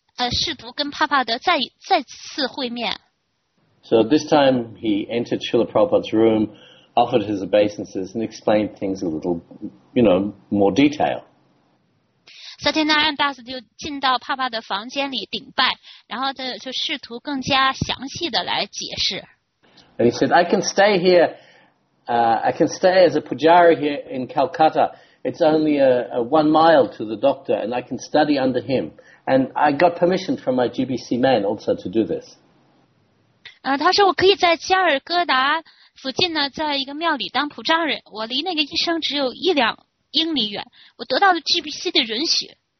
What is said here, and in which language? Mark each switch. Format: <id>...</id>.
<zh>试图跟帕帕德再次会面。</zh> <en>So this time he entered Srila Prabhupada's room, offered his obeisances, and explained things a little, you know, more detail.</en> <zh>Satyanarayan Das 就进到帕帕的房间里顶拜，然后就试图更加详细的来解释。</zh> <en>And he said, I can stay here, I can stay as a pujari here in Calcutta. It's only a 1 mile to the doctor, and I can study under him. And I got permission from my GBC man also to do this.</en> <zh>他说我可以在加尔各答附近呢，在一个庙里当普障人，我离那个医生只有一两英里远，我得到了 GBC 的允许。</zh>